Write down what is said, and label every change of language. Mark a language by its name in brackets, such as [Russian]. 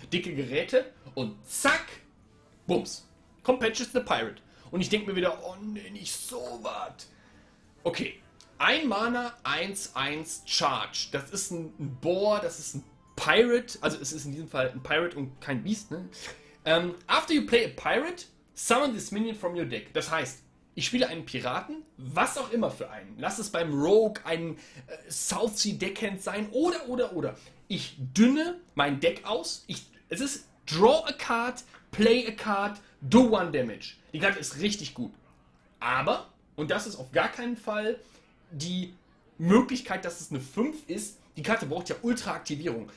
[German] Dicke Geräte und zack, bums, kommt Patches the Pirate. Und ich denke mir wieder, oh nee, nicht so was. Okay. Ein Mana, 1-1 Charge. Das ist ein Boar, das ist ein Pirate. Also es ist in diesem Fall ein Pirate und kein Beast. Ne? [English] After you play a Pirate, summon this minion from your deck. [German] Das heißt, ich spiele einen Piraten, was auch immer für einen. Lass es beim Rogue ein South Sea Deckhand sein oder. Ich dünne mein Deck aus. Es ist [English] draw a card, play a card, do one damage. [German] Die Karte ist richtig gut. Aber, und das ist auf gar keinen Fall die Möglichkeit, dass es eine 5 ist, die Karte braucht ja Ultra-Aktivierung.